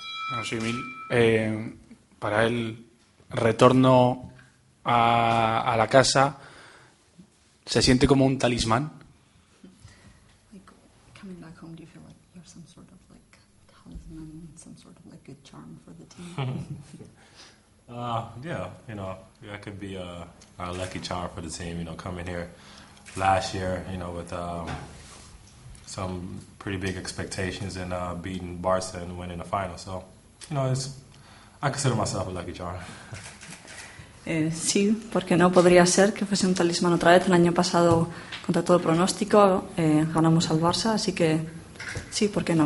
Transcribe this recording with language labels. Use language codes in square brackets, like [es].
[es] Bueno, sí, Mil, para el retorno a la casa, ¿se siente como un talismán? [en] I could be a lucky charm for the team, you know, coming here last year, you know, with some pretty big expectations and beating Barca and winning the final. So, you know, I consider myself a lucky charm. [es] Sí, porque no podría ser que fuese un talismán otra vez. El año pasado, contra todo el pronóstico, ganamos al Barça, así que sí, ¿por qué no?